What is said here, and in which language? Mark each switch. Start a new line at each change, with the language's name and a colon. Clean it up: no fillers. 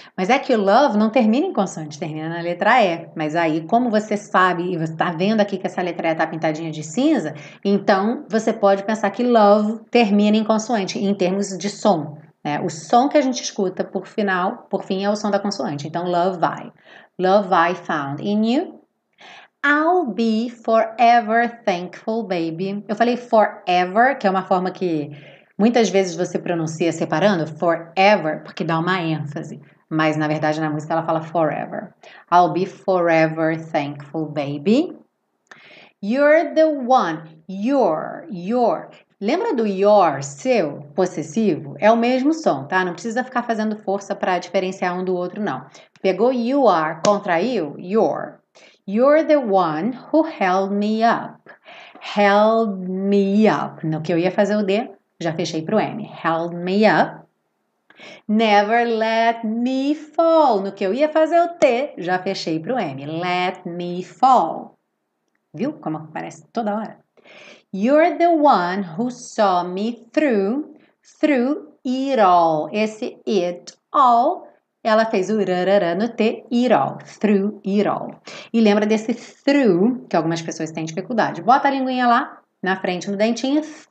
Portuguese: Mas é que o love não termina em consoante, termina na letra E. Mas aí, como você sabe, e você tá vendo aqui que essa letra E tá pintadinha de cinza, então você pode pensar que love termina em consoante, em termos de som. Né? O som que a gente escuta por final, por fim, é o som da consoante.
English: Então, love I found in you. I'll be forever thankful, baby.
Portuguese: Eu falei forever, que é uma forma que muitas vezes você pronuncia separando forever, porque dá uma ênfase. Mas, na verdade, na música ela fala forever.
English: I'll be forever thankful, baby. You're the one. Your.
Portuguese: Lembra do your, seu, possessivo? É o mesmo som, tá? Não precisa ficar fazendo força para diferenciar um do outro, não. Pegou you are, contraiu, your.
English: You're the one who held me up. Held me up.
Portuguese: No que eu ia fazer o D... Já fechei pro M.
English: Held me up. Never let me fall.
Portuguese: No que eu ia fazer o T, já fechei pro M.
English: Let me fall.
Portuguese: Viu como aparece toda hora?
English: You're the one who saw me through it all.
Portuguese: Esse it all, ela fez o rarara no T, it all.
English: Through it all.
Portuguese: E lembra desse through, que algumas pessoas têm dificuldade. Bota a linguinha lá na frente no dentinho.